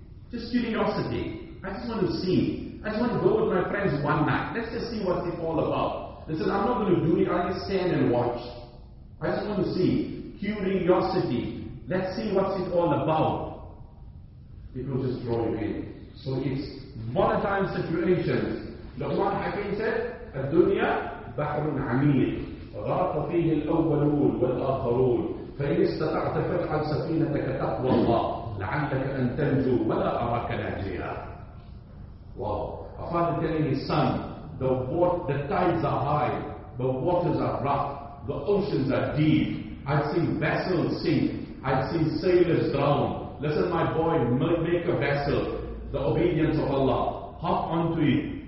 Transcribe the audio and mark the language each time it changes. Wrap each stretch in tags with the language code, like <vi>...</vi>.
<en>Just curiosity. I just want to see. I just want to go with my friends one night. Let's just see what it's all about. Listen, I'm not going to do it. I'll just stand and watch. I just want to see. Curiosity. Let's see what's it all about. It will just draw you in. So it's volatile situations. The one Hakim said,</en> <ar>الدنيا بحر عميق غرق فيه الأولون والآخرون فإن استطعت فافعل سفينتك تقوى الله لعلك أن تنجو ولا أراك ناجيا.</ar> <en>Wow. A father telling his son, the tides are high, The waters are rough. The oceans are deep. I've seen vessels sink. I've seen sailors drown. Listen, my boy, make a vessel. The obedience of Allah. Hop onto it.</en>